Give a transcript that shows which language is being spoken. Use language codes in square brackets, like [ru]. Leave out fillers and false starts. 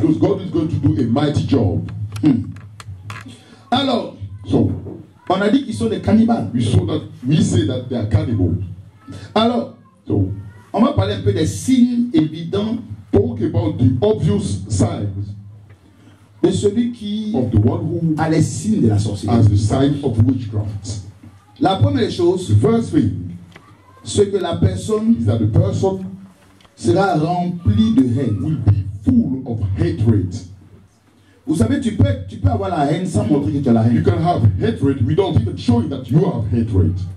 [en] Because God is going to do a mighty job. [fr] Hmm. Alors, [en] so, [fr] on a dit qu'ils sont des cannibales. [en] We saw that we say that they are cannibals. [fr] Alors, [en] so, [fr] on va parler un peu des signes évidents. [en] Talk about the obvious signs. [fr] de celui qui [en] of the one who [fr] a les signes de la sorcellerie. [en] As the sign of witchcraft. [fr] La première chose, [en] first thing, [fr] c'est que la personne [en] is that the person [fr] sera remplie de haine. [en] Will be full of hatred. [fr] Vous savez, tu peux avoir la haine sans montrer que tu as la haine. [en] You can have hatred without even showing that you have hatred.